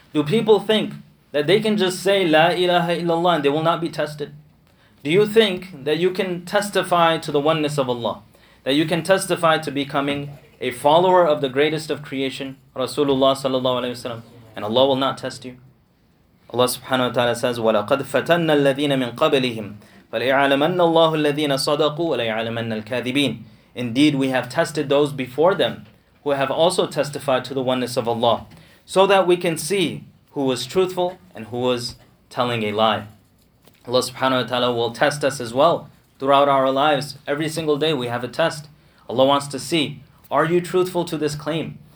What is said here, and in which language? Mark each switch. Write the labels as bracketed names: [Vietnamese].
[English] Do people think that they can just say La ilaha illallah and they will not be tested? Do you think that you can testify to the oneness of Allah? That you can testify to becoming a follower of the greatest of creation, Rasulullah sallallahu alayhi wa sallam, and Allah will not test you? Allah subhanahu wa ta'ala says, [Arabic] وَلَقَدْ فَتَنَّ الَّذِينَ مِنْ قَبْلِهِمْ فَلَيْعَلَمَنَّ اللَّهُ الَّذِينَ صَدَقُوا وَلَيْعَلَمَنَّ الْكَاذِبِينَ. [English] Indeed, we have tested those before them who have also testified to the oneness of Allah, so that we can see who was truthful and who was telling a lie. Allah subhanahu wa ta'ala will test us as well throughout our lives. Every single day we have a test. Allah wants to see, are you truthful to this claim?